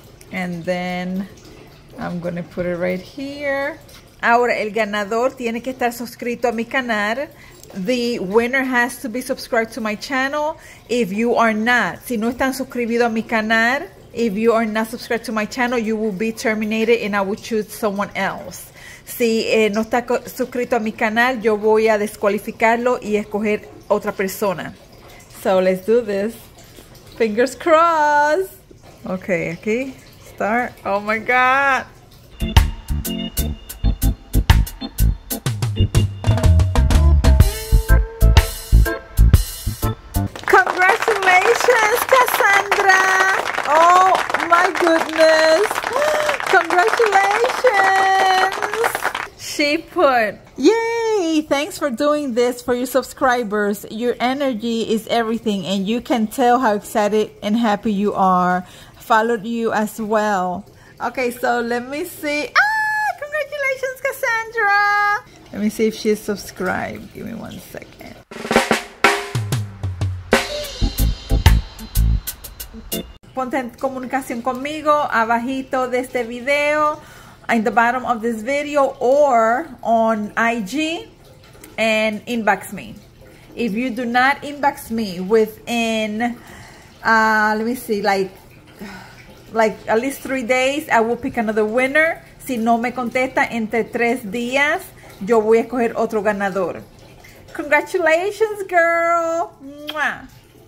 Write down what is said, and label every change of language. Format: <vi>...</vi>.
<en>And then I'm going to put it right here.</en> <es>Ahora, el ganador tiene que estar suscrito a mi canal.</es> <en>The winner has to be subscribed to my channel. If you are not,</en> <es>si no están suscribidos a mi canal,</es> <en>if you are not subscribed to my channel, you will be terminated and I will choose someone else.</en> <es>Si no está suscrito a mi canal, yo voy a descualificarlo y escoger otra persona.</es> <en>So let's do this. Fingers crossed. Okay, aquí. Start. Oh my God. Congratulations, Cassandra. Oh my goodness. Congratulations. She put, yay, thanks for doing this for your subscribers. Your energy is everything and you can tell how excited and happy you are. Followed you as well. Okay, so let me see. Ah, congratulations, Cassandra. Let me see if she's subscribed. Give me 1 second.</en> <es>Ponte en comunicación conmigo abajito de este video.</es> <en>In the bottom of this video or on IG and inbox me. If you do not inbox me within, let me see, like at least 3 days, I will pick another winner.</en> <es>Si no me contesta entre 3 días, yo voy a escoger otro ganador.</es> <en>Congratulations, girl. Mwah.</en>